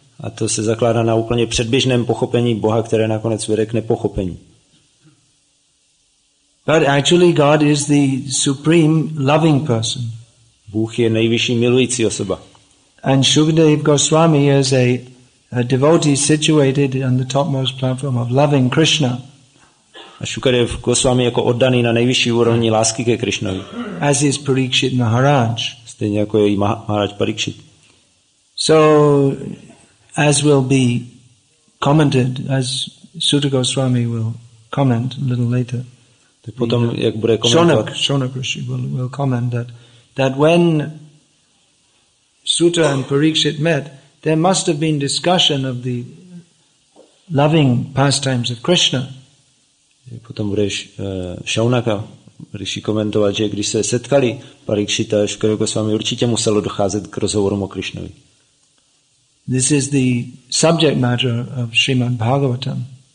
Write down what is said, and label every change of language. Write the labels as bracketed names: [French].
[Czech] A to se zakládá na úplně předběžném pochopení Boha, které nakonec vede k nepochopení. [English] But actually God is the supreme loving person. [Czech] Bůh je nejvyšší milující osoba. [English] And Shukadev Goswami is a devotee situated on the topmost platform of loving Krishna. [Czech] A Shukadev Goswami jako oddaný na nejvyšší úrovni lásky ke Krishnovi. [English] As is Parikshit Maharaj. [Czech] Stejně jako je Maharaj Parikshit. [English] So, as will be commented, as Suta Goswami will comment a little later. [Czech] Tak potom, jak bude komentovat. [English] Shonak Rishi will comment that when Suta and Parikshit met, there must have been discussion of the loving pastimes of Krishna. [Czech] Potom bude Shaunaka Rishi komentovat, že když se setkali Parikshit a Shukadev Goswami, určitě muselo docházet k rozhovorům o Krishnovi. [English] This is the subject matter of Srimad Bhagavatam.